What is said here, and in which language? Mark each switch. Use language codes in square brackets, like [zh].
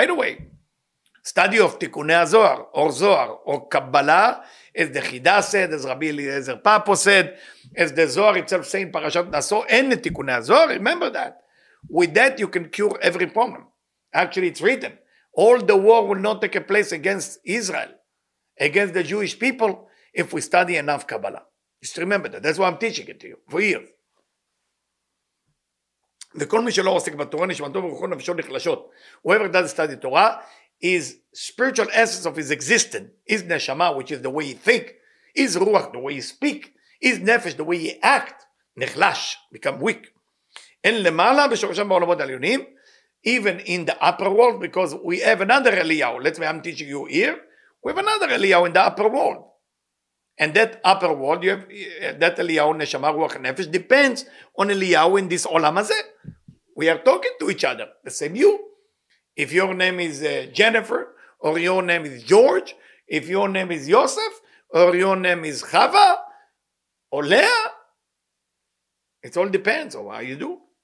[en] By the way, study of Tikkunei Zohar, or Zohar, or Kabbalah, as the Chida said, as Rabbi Eliezer Papo said, as the Zohar itself saying, Parashat Naso, and the Tikkunei Zohar, remember that. With that, you can cure every problem. Actually, it's written. All the war will not take a place against Israel, against the Jewish people, if we study enough Kabbalah. Just remember that. That's why I'm teaching it to you. For years. [he] וכל מי שלא עוסק בתורה, נשמתו ורוחו נפשו נחלשות. [en] Whoever does study Torah, his spiritual essence of his existence, his neshama, which is the way he think, his ruach, the way he speak, his nefesh, the way he act, נחלש, become weak. [he] אין למעלה בשורשם בעולמות העליונים, [en] even in the upper world, because we have another Eliyahu. Let's say I'm teaching you here. We have another Eliyahu in the upper world. And that upper world, you have that Eliyahu, Neshama, Ruach, Nefesh, depends on Eliyahu in this Olam Hazeh. We are talking to each other. The same you. If your name is Jennifer, or your name is George, if your name is Yosef, or your name is Chava, or Leah, it all depends on how you do.